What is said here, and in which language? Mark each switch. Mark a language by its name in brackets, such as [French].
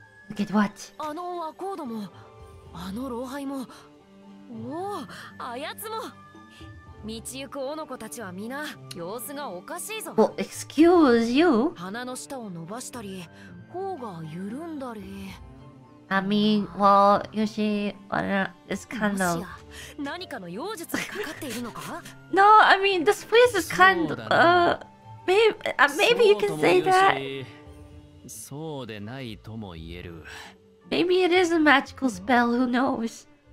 [English] Look at what。 [Japanese] あのアコードも。あの老廃も、おお、あやつも、道行くおの子たちはみな、様子がおかしいぞ。 [English] Well, excuse you. [Japanese] 鼻の下を伸ばしたり、頬が緩んだり。 [English] I mean, well, you see, it's kind of. [Japanese] 何かの妖術がかかっているのか [English] ？No, I mean, this place is kind of. Maybe you can say that. [Japanese] そうでないとも言える。 [English] Maybe it is a magical spell, who knows?